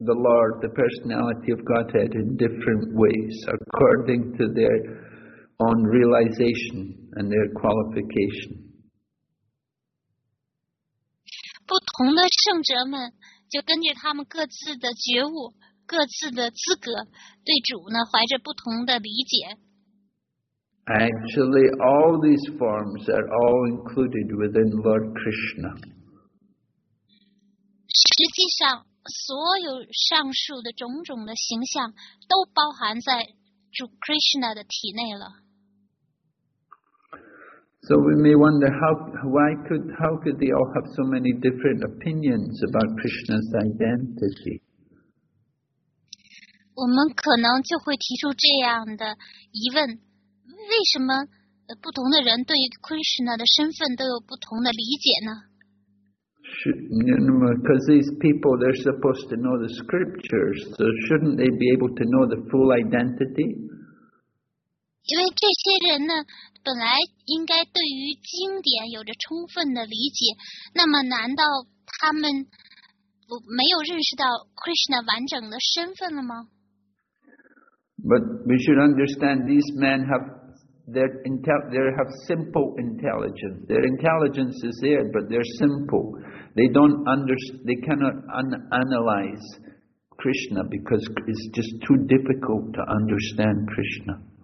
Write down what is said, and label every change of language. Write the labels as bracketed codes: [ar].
[en] the Lord, the personality of Godhead, in different ways according to their own realization and their qualification. [zh] 不同的圣者们就根据他们各自的觉悟、各自的资格，对主呢怀着不同的理解。 [en] Actually, all these forms are all included within Lord Krishna. [zh] 实际上，所有上述的种种的形象都包含在主 Krishna 的体内了。 [en] So we may wonder how could they all have so many different opinions about Krishna's identity? [zh] 我们可能就会提出这样的疑问：为什么不同的人对 Krishna 的身份都有不同的理解呢？ [en] Because these people, they're supposed to know the scriptures, so shouldn't they be able to know the full identity? [zh] 因为这些人呢。本来应该对于经典有着充分的理解，那么难道他们没有认识到 Krishna 完整的身份了吗？ [en] But we should understand these men have they have simple intelligence. Their intelligence is there, but they're simple. They cannot analyze Krishna because it's just too difficult to understand Krishna.